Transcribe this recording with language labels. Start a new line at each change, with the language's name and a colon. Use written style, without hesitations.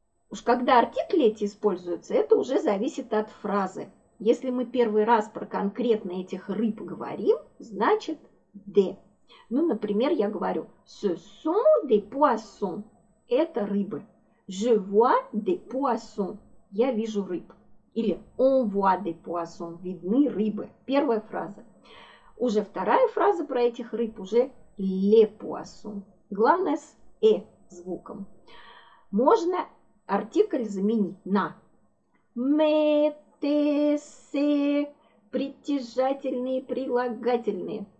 Russian: Уж когда артикли эти используются, это уже зависит от фразы. Если мы первый раз про конкретно этих рыб говорим, значит «де». Ну, например, я говорю
French: «Ce sont des poissons»
Russian: – это рыбы.
French: «Je vois des poissons» –
Russian: я вижу рыб. Или
French: «On voit des poissons» –
Russian: видны рыбы. Первая фраза. Уже вторая фраза про этих рыб – уже
French: «les poissons».
Russian: Главное с «э» звуком. Можно артикль заменить на «Mettez-se» – притяжательные и прилагательные.